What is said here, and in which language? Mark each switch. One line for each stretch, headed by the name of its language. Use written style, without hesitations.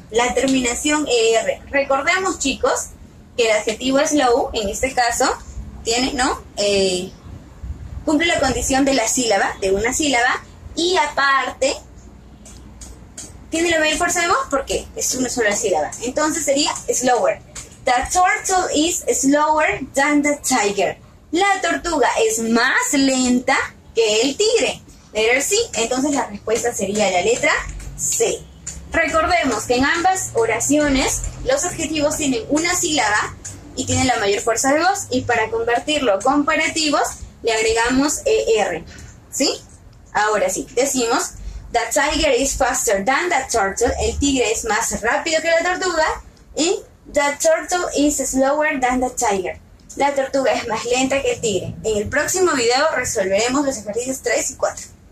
Spanish: La terminación ER. Recordemos, chicos, que el adjetivo slow, en este caso, tiene, ¿no? Cumple la condición de la sílaba, de una sílaba, y aparte, ¿tiene la mayor fuerza de voz? ¿Por qué? Es una sola sílaba. Entonces sería slower.
English: The turtle is slower than the tiger.
Spanish: La tortuga es más lenta que el tigre.
English: Letter C.
Spanish: Entonces la respuesta sería la letra C. Recordemos que en ambas oraciones los adjetivos tienen una sílaba y tienen la mayor fuerza de voz. Y para convertirlo a comparativos le agregamos ER. ¿Sí? Ahora sí. Decimos...
English: The tiger is faster than the turtle.
Spanish: El tigre es más rápido que la tortuga.
English: Y the turtle is slower than the tiger.
Spanish: La tortuga es más lenta que el tigre. En el próximo video resolveremos los ejercicios 3 y 4.